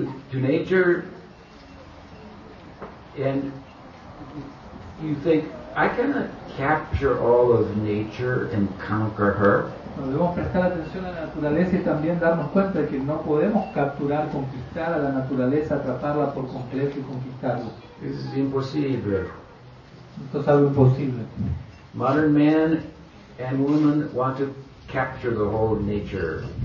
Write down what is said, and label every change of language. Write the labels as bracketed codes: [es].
[en] To nature, and you think, I cannot capture all of nature and conquer her. [es] Bueno, debemos prestar atención a la naturaleza y también darnos cuenta de que no podemos capturar, conquistar a la naturaleza, atraparla por completo y conquistarla. [en] This is impossible. [es] Esto es algo imposible. [en] Modern man and woman want to capture the whole nature.